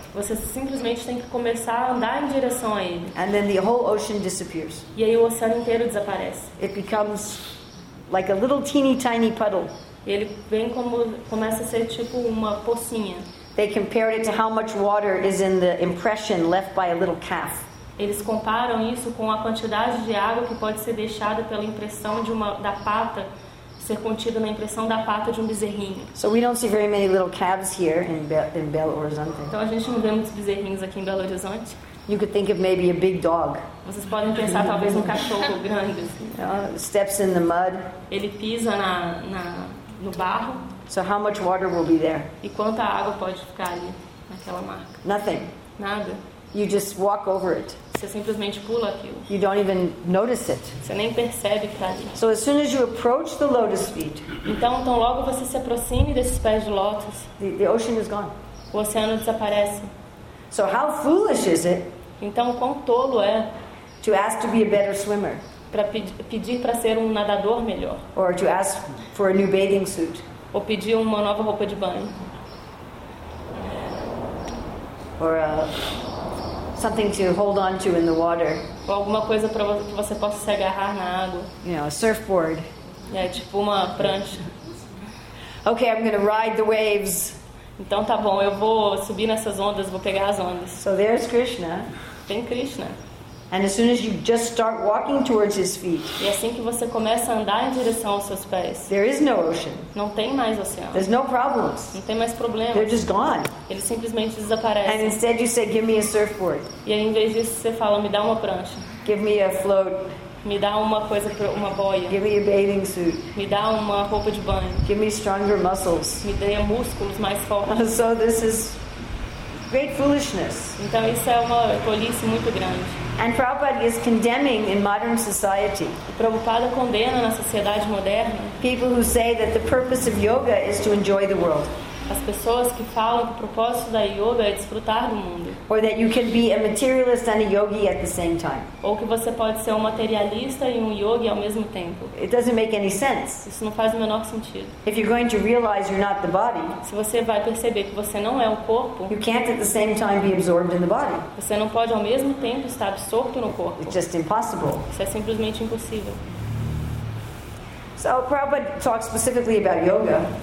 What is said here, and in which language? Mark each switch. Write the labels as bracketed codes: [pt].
[pt] Você simplesmente tem que começar a andar em direção a ele. [en] And then the whole ocean disappears. [pt] E aí o oceano inteiro desaparece. [en] It becomes like a little teeny tiny puddle. [pt] Ele vem como começa a ser tipo uma pocinha. [en] They compared it to how much water is in the impression left by a little calf. [pt] Eles comparam isso com a quantidade de água que pode ser deixada pela impressão de uma da pata, ser contida na impressão da pata de um bezerrinho. [en] So we don't see very many little calves here in Belo Horizonte. [pt] Então a gente não vê muitos bezerrinhos aqui em Belo Horizonte. [en] You could think of maybe a big dog. [pt] Vocês podem pensar talvez um cachorro grande. [en] Steps in the mud. [pt] Ele pisa no barro. [en] So how much water will be there? [pt] E quanta água pode ficar ali naquela marca? [en] Nothing. [pt] Nada. [en] You just walk over it. [pt] Você simplesmente pula aquilo. [en] You don't even notice it. [pt] Você nem percebe que tá ali. [en] So as soon as you approach the lotus feet, [pt] então logo você se aproxime desses pés de lótus, [en] the ocean is gone. [pt] O oceano desaparece. [en] So how foolish is it? [pt] Então quão tolo é? [en] To ask to be a better swimmer. [pt] Para pedir para ser um nadador melhor. [en] Or to ask for a new bathing suit. [pt] Ou pedir uma nova roupa de banho. [en] Or something to hold on to in the water. [pt] Ou alguma coisa para que você possa se agarrar na água. [en] You know, a surfboard. [pt] É tipo uma prancha. [en] Okay, I'm going to ride the waves. [pt] Então tá bom, eu vou subir nessas ondas, vou pegar as ondas. [en] So there's Krishna. [pt] Tem Krishna. [en] And as soon as you just start walking towards his feet. [pt] E assim que você começa a andar em direção aos seus pés. [en] There is no ocean. [pt] Não tem mais oceano. [en] There's no problems. [pt] Não tem mais problemas. [en] They're just gone. [pt] Eles simplesmente desaparecem. [en] And instead you say, give me a surfboard. [pt] E aí, em vez disso você fala, me dá uma prancha. [en] Give me a float. [pt] Me dá uma coisa, uma boia. [en] Give me a bathing suit. [pt] Me dá uma roupa de banho. [en] Give me stronger muscles. [pt] Me dê músculos mais fortes. [en] So this is great foolishness. [pt] Então isso é uma tolice muito grande. [en] And Prabhupada is condemning in modern society. [pt] Prabhupada condena na sociedade moderna. [en] People who say that the purpose of yoga is to enjoy the world. [pt] As pessoas que falam que o propósito da yoga é desfrutar do mundo. [en] Or that you can be a materialist and a yogi at the same time. [pt] Ou que você pode ser um materialista e um yogi ao mesmo tempo. [en] It doesn't make any sense. [pt] Isso não faz o menor sentido. [en] If you're going to realize you're not the body, [pt] se você vai perceber que você não é o corpo, [en] you can't at the same time be absorbed in the body. [pt] Você não pode ao mesmo tempo estar absorto no corpo. [en] It's just impossible. [pt] Isso é simplesmente impossível. [en] So Prabhupada talks specifically about yoga.